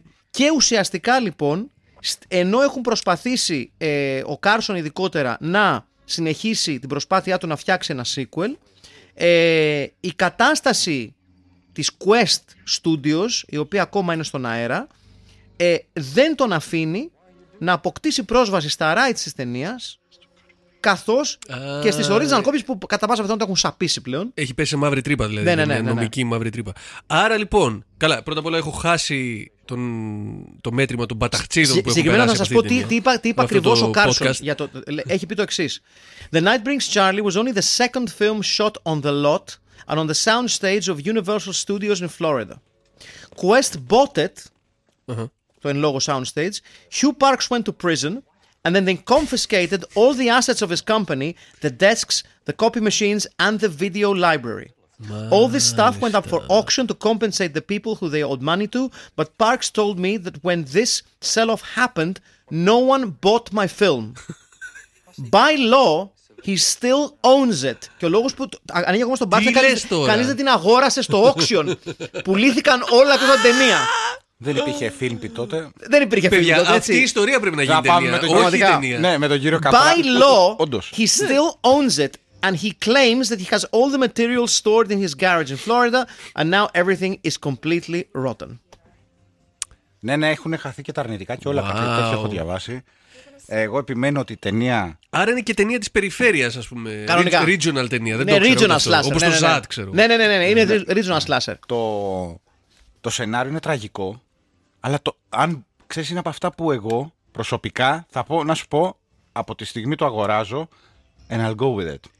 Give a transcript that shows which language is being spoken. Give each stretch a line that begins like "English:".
Greek: Και ουσιαστικά λοιπόν, ενώ έχουν προσπαθήσει ο Κάρσον ειδικότερα να συνεχίσει την προσπάθειά του να φτιάξει ένα sequel, η κατάσταση της Quest Studios, η οποία ακόμα είναι στον αέρα, δεν τον αφήνει να αποκτήσει πρόσβαση στα rights της ταινίας, καθώς και στις original copies που κατά πάσα πιθανότητα έχουν σαπίσει πλέον. Έχει πέσει σε μαύρη τρύπα δηλαδή, ναι, ναι, ναι, ναι, νομική ναι. Μαύρη τρύπα. Άρα λοιπόν, καλά, πρώτα απ' όλα έχω χάσει το μέτρημα των μπαταχτσίδων που έχουν περάσει. Συγκεκριμένα να σας πω τι είπα ακριβώς ο Κάρσον. Έχει πει το εξής.
English: The Night Brings Charlie was only the second film shot on the lot and on the soundstage of Universal Studios in Florida. Quest bought it,
Greek: το εν λόγω
English: soundstage. Hugh Parks went to prison. And then they confiscated all the assets of his company, the desks, the copy machines, and the video library.
Greek: Μάλιστα.
English: All this stuff went up for auction to compensate the people who they owed money to, but Parks told me that when this sell-off happened, no one bought my film. By law, he still owns it.
Greek: Και ο λόγος που ανοίγει ακόμα στον Πάρξ, κανείς δεν την αγόρασε στο auction. Πουλήθηκαν όλα αυτά τα ταινία. Δεν υπήρχε film τότε. Δεν υπήρχε film τότε. Αυτή η ιστορία πρέπει να γίνει ταινία. Όχι ταινία. Ναι, με τον κύριο Καπρά.
English: By law, he still owns it and he claims that he has all the material stored in his garage in Florida and now everything is completely rotten.
Greek: Ναι, ναι, έχουν χαθεί και τα αρνητικά και όλα τα τέτοια έχω διαβάσει. Εγώ επιμένω ότι η ταινία. Άρα είναι και ταινία της περιφέρειας, ας πούμε. Κανονικά. Regional ταινία. Ναι, regional slasher. Όπως το ZAD, ξέρω. Ναι, ναι, ναι, είναι regional slasher. Το σενάριο είναι τραγικό, αλλά αν ξέρεις είναι από αυτά που εγώ προσωπικά θα πω, να σου πω, από τη στιγμή το αγοράζω,
English: and I'll go with it.